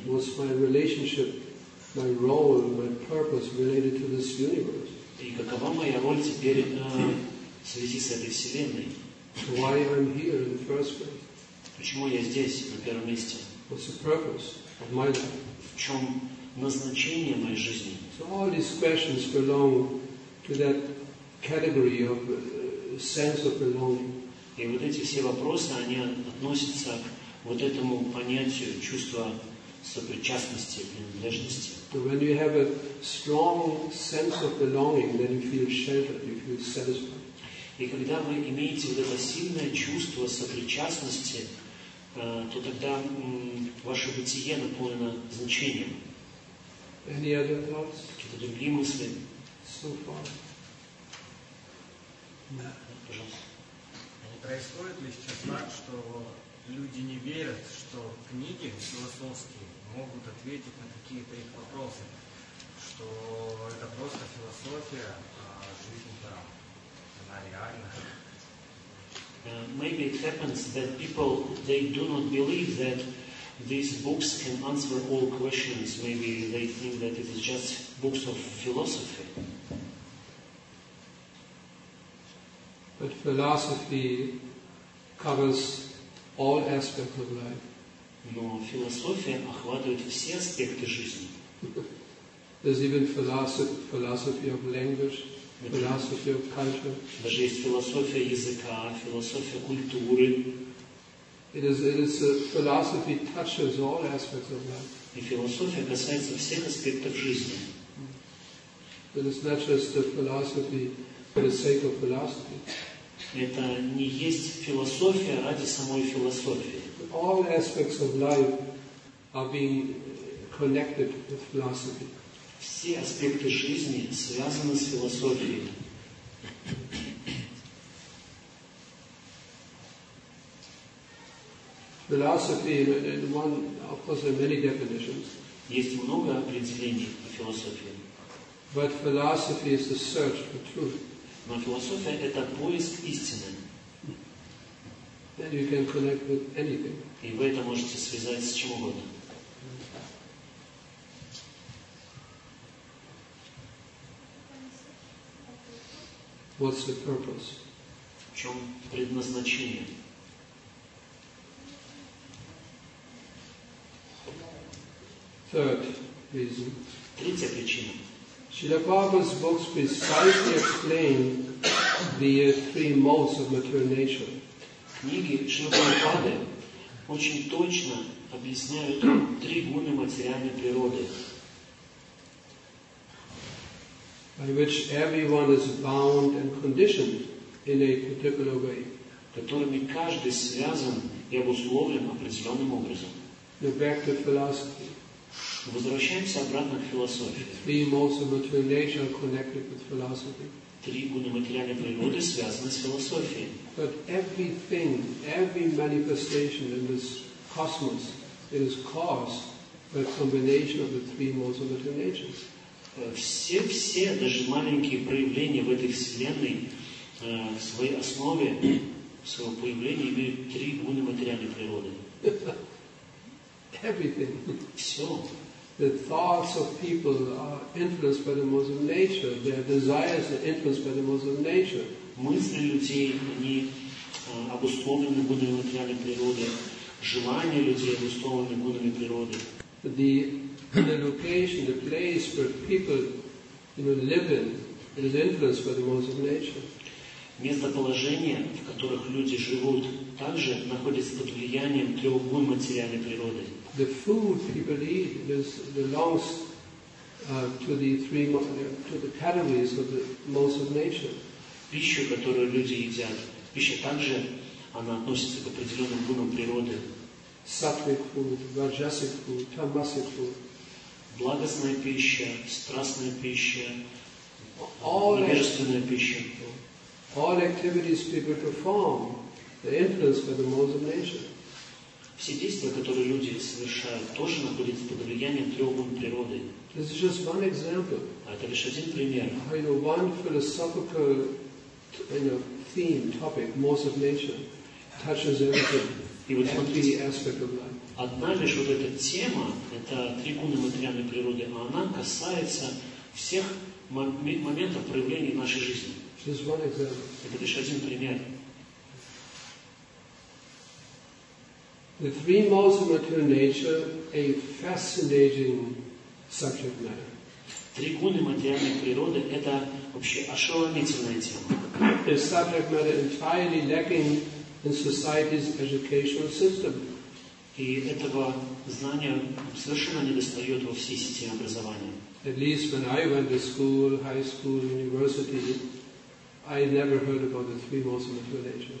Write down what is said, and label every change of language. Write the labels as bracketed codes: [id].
[en] What's my relationship, my role, my purpose related to this universe? [ru] И какова моя роль теперь в связи с этой Вселенной? [en] Why I'm here in the first place? [ru] Почему я здесь, на первом месте? [en] What's the purpose of my life? [ru] В чем назначение моей жизни? [en] So all these questions belong to that category of sense of belonging. [ru] И вот эти все вопросы, они относятся к вот этому понятию чувства сопричастности, принадлежности. [en] So when you have a strong sense of belonging, then you feel sheltered, you feel satisfied. [ru] И когда вы имеете вот это сильное чувство сопричастности, то тогда ваше бытие наполнено значением. [en] Any other thoughts? [ru] Какие-то другие мысли? [en] So far. [ru] Да. Пожалуйста. Не происходит ли сейчас так, что люди не верят, что книги философские могут ответить на какие-то их вопросы? Что это просто философия, а жизнь там, она реальна? [en] Maybe it happens that people, they do not believe that these books can answer all questions. Maybe they think that it is just books of philosophy. But philosophy covers all aspects of life. [ru] Но философия охватывает все аспекты жизни. [en] There's even philosophy of language. Philosophy of culture. [ru] Даже есть философия языка, философия культуры. [en] It is a philosophy touches all aspects of life. [ru] И философия касается всех аспектов жизни. [en] But it's not just a philosophy for the sake of philosophy. [ru] Это не есть философия ради самой философии. [en] All aspects of life are being connected with philosophy. [ru] Все аспекты жизни связаны с философией. В [en] philosophy, in one, of course, there are many definitions. [ru] Есть много определений о философии. [en] But philosophy is the search for truth. [ru] Но философия – это поиск истины. [en] And you can connect with anything. [ru] И вы это можете связать с чем угодно. [en] What's the purpose? [ru] В чем предназначение? [en] Third reason. [ru] Третья причина. [en] Srila Prabhupada's books precisely explain the three modes of material nature. [ru] Книги Шри Прабхупады очень точно объясняют три гуны материальной природы, [en] by which everyone is bound and conditioned in a particular way. [ru] Которыми каждый связан и обусловлен определенным образом. [en] Back to philosophy. [ru] Возвращаемся обратно к философии. [en] Three modes of material nature are connected with philosophy. [ru] Три гуны материальной природы связаны с философией. [en] But everything, every manifestation in this cosmos is caused by a combination of the three modes of material nature. [ru] Все, даже маленькие проявления в этой вселенной в своей основе, в своем появлении имеют три гуны материальной природы. [en] Everything. [ru] Все. [en] The thoughts of people are influenced by the modes of nature. Their desires are influenced by the modes of nature. [ru] Мысли людей, они обусловлены гунами материальной природы. Желания людей обусловлены гунами природы. [en] The location, the place where people, you know, live in, is influenced by the modes of nature. [ru] Местоположение, в которых люди живут, также находится под влиянием трех гун материальной природы. [en] The food people eat belongs to the categories of the modes of nature. [ru] Пища, которую люди едят, пища также, она относится к определенным гунам природы. [en] Sattvic food, rajasic food, tamasic food. [ru] Благостная пища, страстная пища, невежественная пища. [en] All activities people perform, they're influenced by the modes of nature. [ru] Все действия, которые люди совершают, тоже находятся под влиянием трех гун природы. [en] This is just one example. [ru] Это лишь один пример. [en] You know, one philosophical, you know, theme, topic, modes of nature, touches everything. [ru] И вот смотрите, [en] aspect of life. [ru] Одна лишь вот эта тема, это три гуны материальной природы, а она касается всех моментов проявления нашей жизни. Это лишь один пример. [en] The three modes of material nature – a fascinating subject matter. [ru] Три гуны материальной природы – это вообще ошеломительная тема. [en] The subject matter entirely lacking in society's educational system. [ru] И этого знания совершенно недостает во всей системе образования. [en] At least when I went to school, high school, university, I never heard about the three modes of material nature.